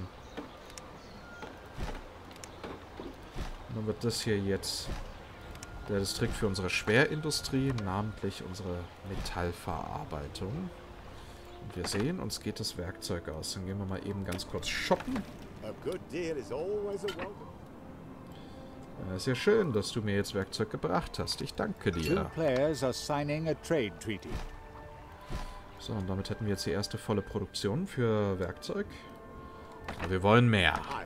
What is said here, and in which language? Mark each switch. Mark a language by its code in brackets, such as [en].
[de] Und dann wird das hier jetzt der Distrikt für unsere Schwerindustrie, namentlich unsere Metallverarbeitung. Und wir sehen, uns geht das Werkzeug aus. Dann gehen wir mal eben ganz kurz shoppen. [en] A good deal is always a welcome. [de] Es ist ja schön, dass du mir jetzt Werkzeug gebracht hast. Ich danke dir. [en] Two players are signing a trade treaty. [de] So, und damit hätten wir jetzt die erste volle Produktion für Werkzeug. Aber wir wollen mehr.